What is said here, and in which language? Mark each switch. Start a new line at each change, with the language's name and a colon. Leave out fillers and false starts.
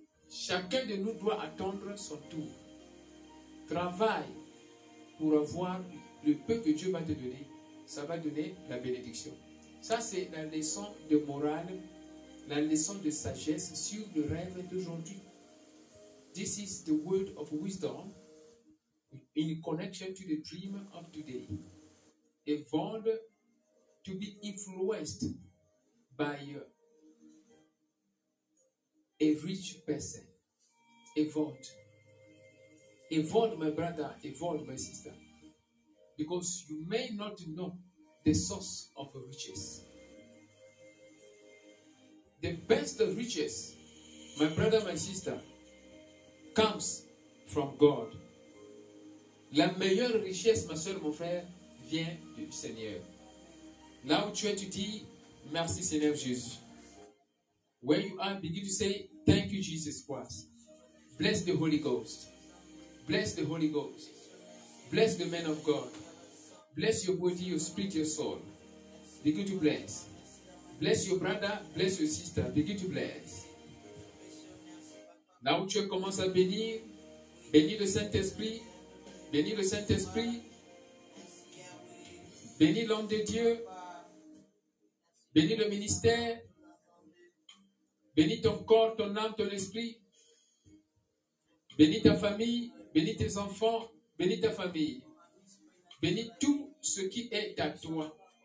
French: Chacun de nous doit attendre son tour. Travaille pour avoir le peu que Dieu va te donner. Ça va donner la bénédiction. Ça, c'est la leçon de morale, la leçon de sagesse sur le rêve d'aujourd'hui.
English: This is the word of wisdom in connection to the dream of today. A word to be influenced by a rich person. A word. A word, my brother. A word, my sister. Because you may not know the source of riches. The best riches, my brother, my sister, comes from God.
French: La meilleure richesse, ma soeur, mon frère, vient du Seigneur. Là où tu es, tu dis, merci Seigneur Jésus.
English: Where you are, begin to say, thank you Jesus Christ. Bless the Holy Ghost. Bless the Holy Ghost. Bless the man of God. Bless your body, your spirit, your soul. Begin to bless. Bless your brother, bless your sister. Begin to bless.
French: Là où tu commences à bénir, bénis le Saint-Esprit, bénis le Saint-Esprit, bénis l'homme de Dieu, bénis le ministère, bénis ton corps, ton âme, ton esprit, bénis ta famille, bénis tes enfants, bénis ta famille, bénis tout ce qui est à toi.